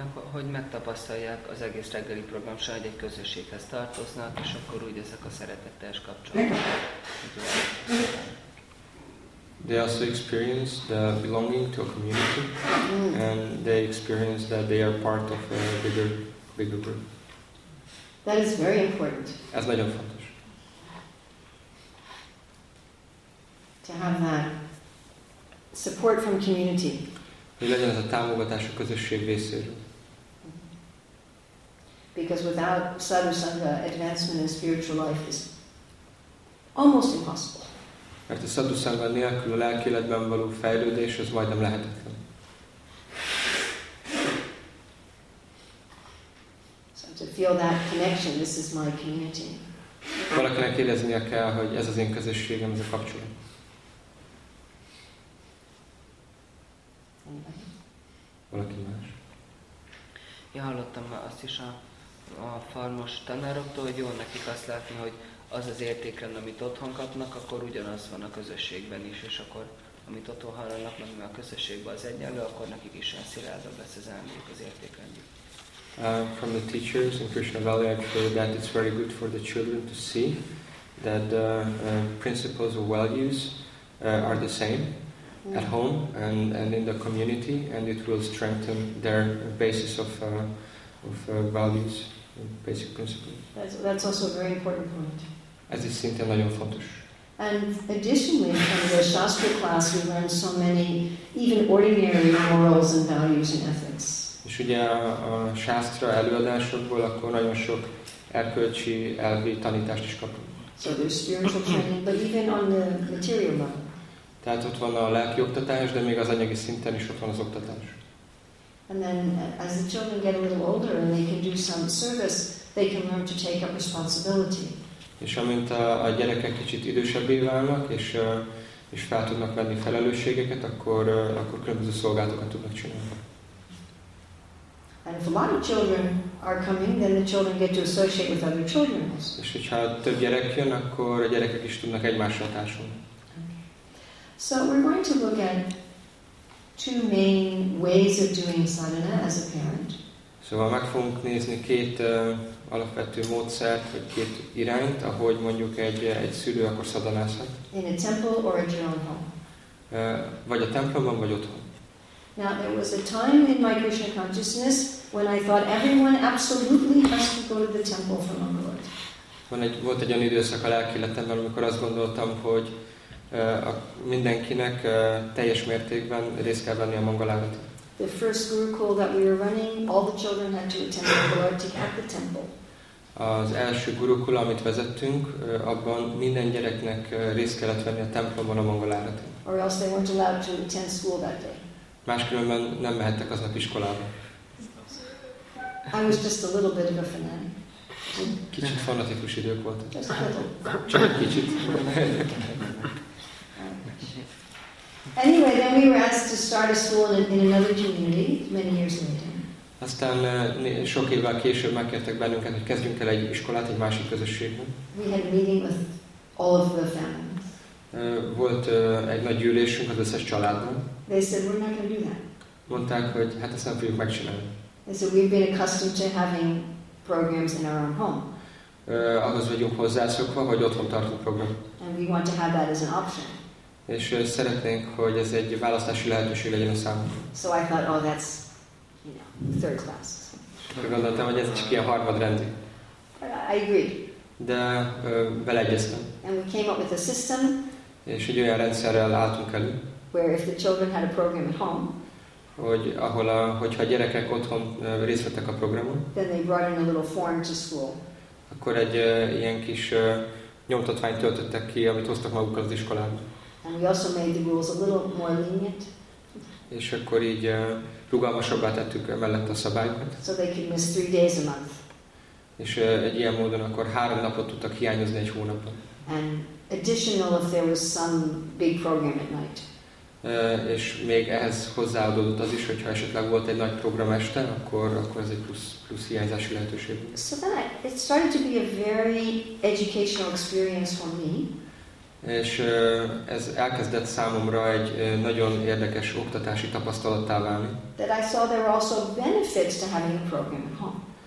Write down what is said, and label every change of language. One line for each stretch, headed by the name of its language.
Hungarian: Hogy megtapasztalják az egész reggeli program, hogy egy közösséghez tartoznak, és akkor úgy ezek a szeretetteljes kapcsolatok.
English: They also experience the belonging to a community, and they experience that they are part of a bigger group. That is very important.
Hungarian: Ez nagyon fontos.
English: To have that support from community.
Hungarian: Hogy legyen ez a támogatás a közösség részéről.
English: Because without sadhusanga, advancement in spiritual life is almost impossible.
Hungarian: Mert a sadhusanga nélkül a lelki életben való fejlődés az majdnem lehetetlen.
English: So to feel that connection, this is my community.
Hungarian: Valakinek éreznie kell, hogy ez az én közösségem, ez a kapcsolat. Valaki más? Ja, hallottam azt is a farmos tanároktól, hogy jó nekik azt látni, hogy az az értékrend, amit otthon kapnak, akkor ugyanaz van a közösségben is, és akkor amit otthon hallanak, meg a közösségben az egyenlő, akkor nekik is olyan szilárdabb lesz az elmények az értékrendjük.
English: From the teachers in Krishna Valley, I feel that it's very good for the children to see that the principles of values are the same at home and in the community, and it will strengthen their basis of values, basic principles. That's also a very important point.
Hungarian: Ez is szintén nagyon fontos.
English: And additionally, from the Shastra class, we learn so many even ordinary morals and values and ethics.
Hungarian: És ugye a Shastra előadásokból akkor nagyon sok erkölcsi elvi tanítást is kapunk.
English: So there's spiritual training, but even on the material level.
Hungarian: Tehát ott van a lelki oktatás, de még az anyagi szinten is ott van az oktatás.
English: And then as the children get a little older and they can do some service, they can learn to take up responsibility.
Hungarian: És amint a gyerekek kicsit idősebbé válnak, és fel tudnak venni felelősségeket, akkor különböző szolgálatokat tudnak csinálni.
English: And if a lot of children are coming, then the children get to associate with other children also.
Hungarian: És hogyha több gyerek jön, akkor a gyerekek is tudnak egymással társulni.
English: So we're going to look at two main ways of doing sadhana as a parent.
Hungarian: Szóval meg fogunk nézni két alapvető módszert, vagy két irányt, ahogy mondjuk egy szülő akkor szadanázhat.
English: In a temple or at your own home.
Hungarian: Vagy a templomban, vagy otthon.
English: Now there was a time in my Krishna consciousness when I thought everyone absolutely has to go to the temple for Mangala Arati.
Hungarian: Volt egy olyan időszak a lelki életemben, amikor azt gondoltam, hogy mindenkinek teljes mértékben részt kell venni a Mangala Arati.
English: The first gurukul that we were running, all the children had to attend Mangala Arati at the temple.
Hungarian: Az első gurukul, amit vezettünk, abban minden gyereknek részt kellett venni a templomban a Mangala Arati.
English: Or else they weren't allowed to attend school that day.
Hungarian: Máskülönben nem mehettek aznap iskolába.
English: I was just a little bit of a fanatic.
Hungarian: Kicsit fanatikus idők voltak.
English: Just a little.
Hungarian: Csak egy kicsit.
English: Anyway, then we were asked to start a school in another community many years later.
Hungarian: Aztán sok évvel később megkértek bennünket, hogy kezdjünk el egy iskolát egy másik közösségben.
English: We had meeting with all of the families.
Hungarian: Volt egy nagy gyűlésünk az összes családban.
English: They said we're not going to do that.
Hungarian: Mondták, hogy hát ezt nem fogjuk megcsinálni.
English: They said we've been accustomed to having programs in our own home.
Hungarian: Ahhoz vagyunk hozzászokva, hogy otthon tartunk programot.
English: And we want to have that as an option.
Hungarian: És szeretnénk, hogy ez egy választási lehetőség legyen a számunkra.
English: So I thought, oh, that's, third class.
Hungarian: És gondoltam, hogy ez csak ilyen harmadrendű.
English: I agree.
Hungarian: De beleegyeztem.
English: And we came up with a system.
Hungarian: És egy olyan rendszerrel álltunk elő.
English: Where if the children had a program at home.
Hungarian: Hogy ahol hogyha a gyerekek otthon részt vettek a programon.
English: Then they brought in a little form to school.
Hungarian: Akkor egy ilyen kis nyomtatványt töltöttek ki, amit hoztak magukkal az iskolába.
English: And we also made the rules a little more lenient.
Hungarian: És akkor így rugalmasabbá tettük mellett a szabályokat.
English: So they could miss 3 days a month.
Hungarian: És egy ilyen módon akkor 3 napot tudtak hiányozni egy hónapon.
English: And additional if there was some big program at night.
Hungarian: És még ehhez hozzáadódott az is, hogyha esetleg volt egy nagy program este, akkor ez egy plusz hiányzási lehetőség.
English: So it started to be a very educational experience for me.
Hungarian: És ez elkezdett számomra egy nagyon érdekes oktatási tapasztalattá válni.
English: That I saw there were also benefits to having a program at home.